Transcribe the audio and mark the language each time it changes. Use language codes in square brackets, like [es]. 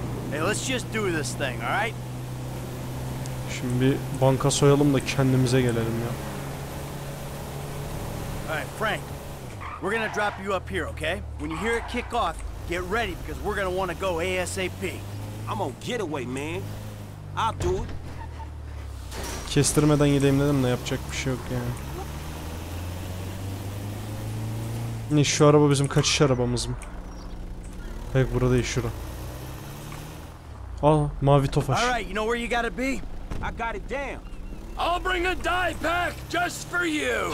[en] Hey, let's just do this thing, all right? [tr] Şimdi bir banka soyalım da kendimize gelelim ya. [en] Alright, Frank. We're gonna drop you up here, okay? When you hear it kick off, get ready because we're gonna wanna go ASAP. I'm on getaway, man. I'll do it. [tr] Kestirmeden gideyim dedim de yapacak bir şey yok ya. Ne şu araba bizim kaçış arabamız mı? Hayır, burada değil, şurada. Al mavi tofaş. [en] All right, you know where you gotta be? I got it down. I'll bring a dive pack just for you.